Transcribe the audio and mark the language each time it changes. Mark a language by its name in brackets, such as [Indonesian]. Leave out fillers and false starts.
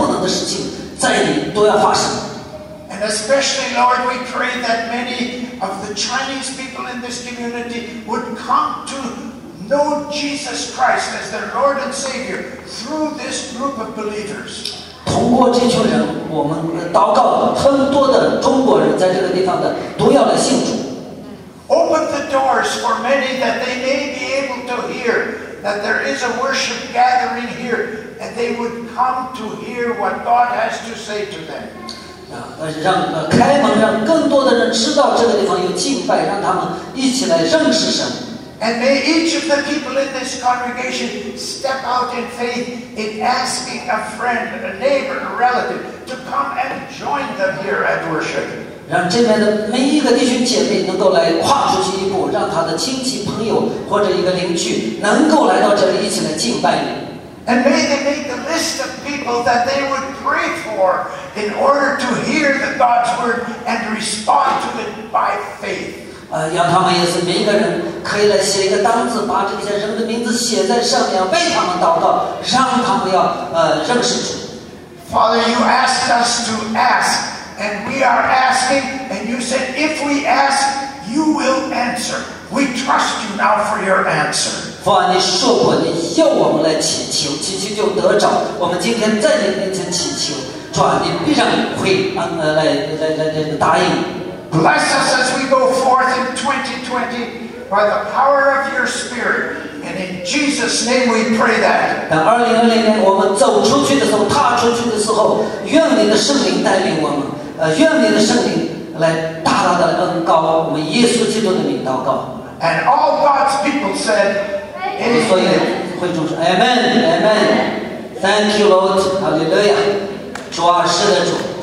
[Chinese] 当他们这个有信心的步伐踏出去的时候，在人看来不能的事情，在你都要发生。 [English] And especially, Lord, we pray that many of the Chinese people in this community would come to know Jesus Christ as their Lord and Savior through this group of believers. [Chinese] 通过这群人，我们祷告，很多的中国人在这个地方的都要来信主。 [English] Open the doors for many that they may be able to hear that there is a worship gathering here, and they would come to hear what God has to say to them. [Chinese] 让开门，让更多的人知道这个地方有敬拜，让他们一起来认识神。 [English] And may each of the people in this congregation step out in faith in asking a friend, a neighbor, a relative to come and join them here at worship. [Chinese] 让这边的每一个弟兄姐妹能够来跨出去一步，让他的亲戚朋友或者一个邻居能够来到这里一起来敬拜你。 [English] And may they make the list of people that they would pray for in order to hear the God's word and respond to it by faith. [Chinese] 让他们也是每一个人可以来写一个单子，把这些人的名字写在上面，为他们祷告，让他们要认识主。 [English] Father, you asked us to ask, and we are asking, and you said if we ask, you will answer. We trust you now for your answer. [Chinese] 父啊，你说过你要我们来祈求，祈求就得着。我们今天在你面前祈求，主啊，你必然会来答应。 [English] Bless us as we go forth in 2020 by the power of your Spirit. And in Jesus' name we pray that. [Chinese] 当2020年我们走出去的时候，踏出去的时候，愿你的圣灵带领我们，愿你的圣灵来大大的恩膏我们，耶稣基督的名祷告。 [English] And all God's people said, Amen. [Chinese] 所以会众说 Amen, Amen. [English] Thank you, Lord. Hallelujah. [Chinese] 主啊，是的，主。